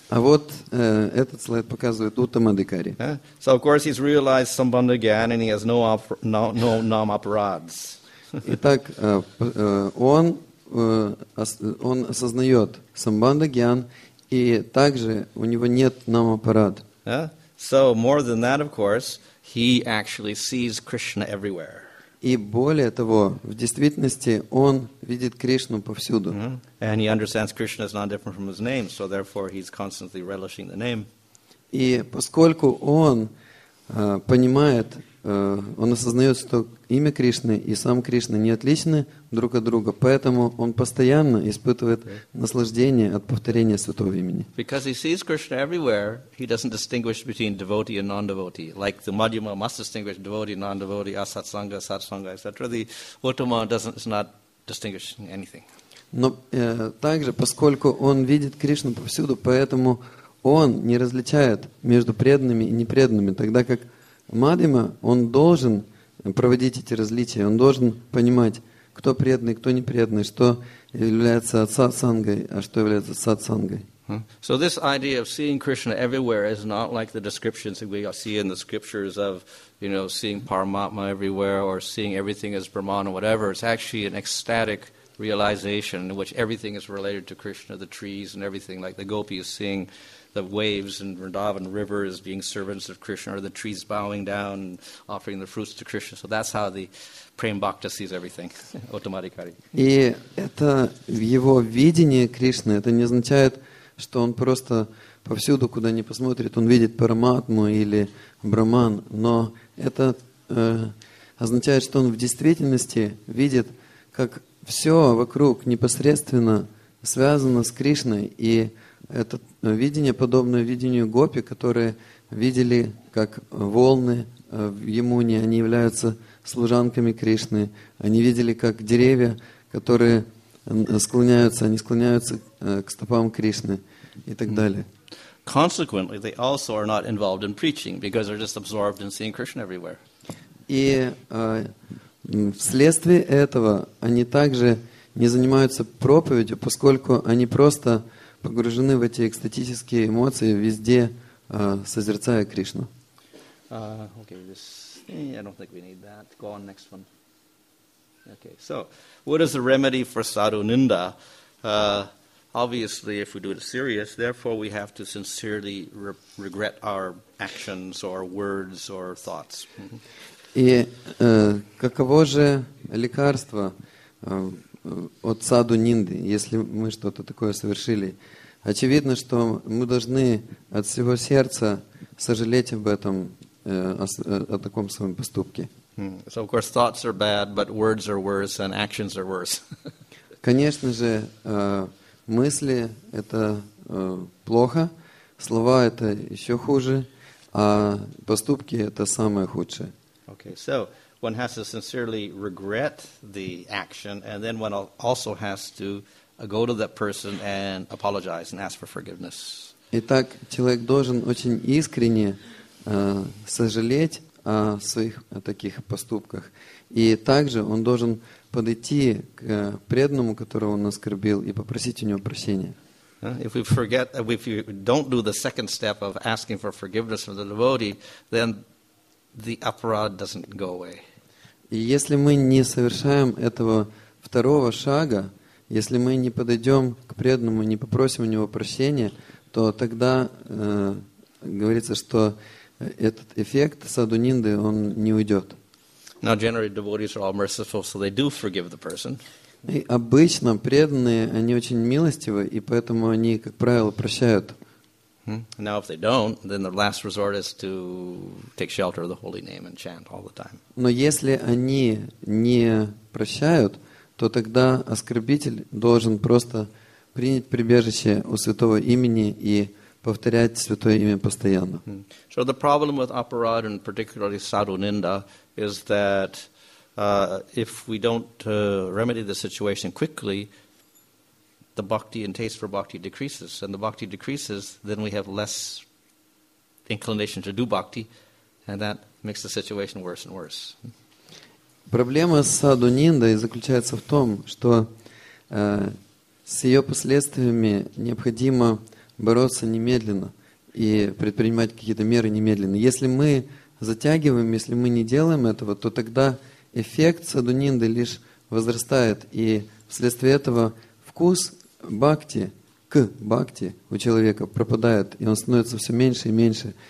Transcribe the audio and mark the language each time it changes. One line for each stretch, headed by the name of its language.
Russian: А вот этот слайд показывает Uttamadikari.
English: So of course he's realized Sambandha again, and he has no namaparads.
Russian: Итак, он осознает самбанда гьян, и также у него нет намапарад.
English: Yeah? So more than that, of course, he actually sees Krishna everywhere.
Russian: И более того, в действительности он видит Кришну повсюду. Mm-hmm.
English: And he understands Krishna is not different from his name, so therefore he's constantly relishing the name.
Russian: И поскольку он понимает, он осознает, что имя Кришны и сам Кришна не отличны друг от друга, поэтому он постоянно испытывает наслаждение от повторения святого имени.
English: Because he sees Krishna everywhere, he doesn't distinguish between devotee and non-devotee. Like the Madhyama must distinguish devotee, non-devotee, asatsanga, satsanga, etc. The Uttama doesn't, is not distinguishing anything.
Russian: Но также, поскольку он видит Кришну повсюду, поэтому он не различает между преданными и непреданными, тогда как Мадхима, он должен проводить эти различия, он должен понимать, кто преданный, кто не преданный, что является сатсангой, а что является сатсангой.
English: So this idea of seeing Krishna everywhere is not like the descriptions that we see in the scriptures of, you know, seeing Paramatma everywhere or seeing everything as Brahman or whatever. It's actually an ecstatic realization in which everything is related to Krishna, the trees and everything, like the gopi is seeing the waves and Vrindavan rivers being servants of Krishna, or the trees bowing down and offering the fruits to Krishna. So that's how the Prem Bhakta sees everything. Uttamadikari.
Russian: И это его видение Кришны. Это не означает, что он просто повсюду, куда ни посмотрит, он видит Параматму или Брахман. Но это означает, что он в действительности видит, как все вокруг непосредственно связано с Кришной, и это видение подобное видению гопи, которые видели, как волны в Ямуне, они являются служанками Кришны. Они видели, как деревья, которые склоняются, они склоняются к стопам Кришны и так далее.
English: Consequently, they also are not involved in preaching because they're just absorbed in seeing Krishna everywhere.
Russian: И вследствие этого они также не занимаются проповедью, поскольку они просто погружены в эти экстатические эмоции везде, созерцая Кришну.
English: Okay, this, I don't think we need that. Go on, next one. Okay, so, what is the remedy for sadhu ninda? Obviously, if we do it serious, therefore we have to sincerely regret our actions or words or thoughts.
Russian: И каково же лекарство от саду нинды, если мы что-то такое совершили? Очевидно, что мы должны от всего сердца сожалеть об этом, о таком своем поступке.
English: So, of course, thoughts are bad, but words are worse, and actions are worse.
Russian: Конечно же, мысли — это плохо, слова — это еще хуже, а поступки — это самое худшее.
English: Okay, so one has to sincerely regret the action, and then one also has to go to that person and apologize and ask for forgiveness.
Russian: Итак, человек должен очень искренне сожалеть о своих таких поступках. И также он должен подойти к преданному, которого он оскорбил, и попросить у него прощения.
English: If we forget, if you don't do the second step of asking for forgiveness from the devotee, then the aparad doesn't go away.
Russian: И если мы не совершаем этого второго шага, если мы не подойдем к преданному и не попросим у него прощения, то тогда говорится, что этот эффект саду нинды, он не уйдет.
English: Now, generally, devotees are all merciful, so they do forgive the person.
Russian: И обычно преданные, они очень милостивы, и поэтому они, как правило, прощают.
English: Now, if they don't, then the last resort is to take shelter of the holy name and chant all the time.
Russian: Но если они не прощают, то тогда оскорбитель должен просто принять прибежище у святого имени и повторять святое имя постоянно.
English: So the problem with aparad and particularly sadhu ninda is that if we don't remedy the situation quickly, the bhakti and taste for bhakti decreases. And the bhakti decreases, then we have less inclination to do bhakti, and that makes the situation worse and worse.
Russian: Проблема с саду ниндой заключается в том, что с ее последствиями необходимо бороться немедленно и предпринимать какие-то меры немедленно. Если мы затягиваем, если мы не делаем этого, то тогда эффект саду нинды лишь возрастает, и вследствие этого вкус бхакти к бхакти у человека пропадает, и он становится все меньше и меньше.